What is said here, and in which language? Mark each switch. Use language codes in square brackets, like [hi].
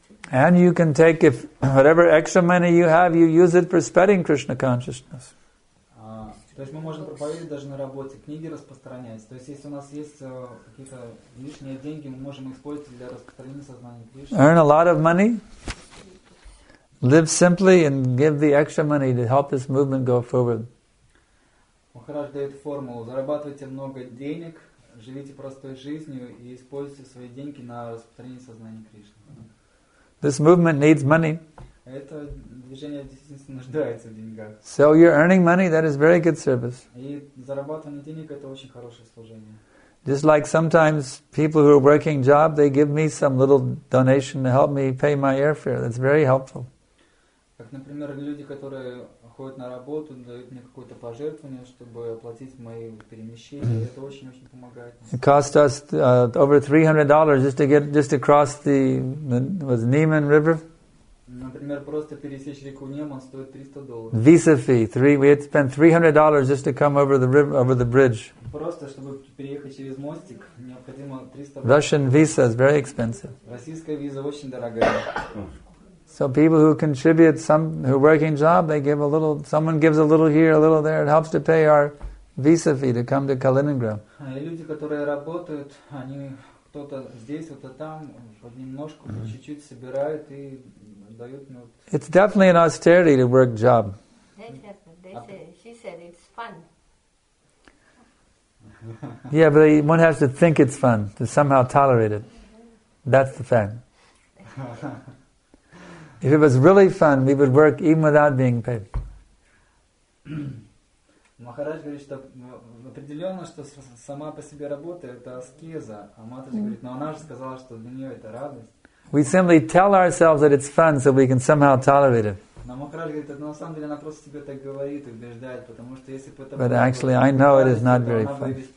[en] And you can take if whatever extra money you have, you use it for spreading Krishna consciousness. [ru] То есть мы можем проповедовать даже на работе, книги распространять. То есть если у нас есть какие-то лишние деньги, мы можем использовать для распространения сознания Кришны. [en] Earn a lot of money, live simply and give the extra money to help this movement go forward. [ru] Махарадж дает формулу: зарабатывайте много денег, живите простой жизнью и используйте свои деньги на распространение сознания Кришны. [en] This movement needs money. [ru] Это движение действительно нуждается в деньгах. [en] So you're earning money, that is very good service. [ru] И зарабатывание денег – это очень хорошее служение. [en] Just like sometimes people who are working job, they give me some little donation to help me pay my airfare. That's very helpful. [ru] Как, например, люди, которые ходят на работу, дают мне какое-то пожертвование, чтобы оплатить мои перемещения. Mm-hmm. Это очень-очень помогает. [en] It cost us over $300 just to cross the Neman River. [ru] Например, просто пересечь реку Неман стоит $300. [en] Visa fee, we had spent $300 just to come over the river, over the bridge. [ru] Просто чтобы переехать через мостик, необходимо $300. [en] Russian visa is very expensive. [ru] Российская виза очень дорогая. [en] So people who contribute some, who working job, they give a little. Someone gives a little here, a little there. It helps to pay our visa fee to come to Kaliningrad. [ru] И люди, которые работают, они кто-то здесь, кто-то там, под немножко, по чуть-чуть собирают и. [en] It's definitely an austerity to work job. They said, she said it's fun. Yeah, but one has to think it's fun to somehow tolerate it. That's the fact. If it was really fun, we would work even without being paid. [ru] Махарадж говорит, что определенно, что сама по себе работа – это аскеза. А Матаджи говорит, но она же сказала, что для нее это радость. [en] We simply tell ourselves that it's fun so we can somehow tolerate it. But actually, I know it is not very fun.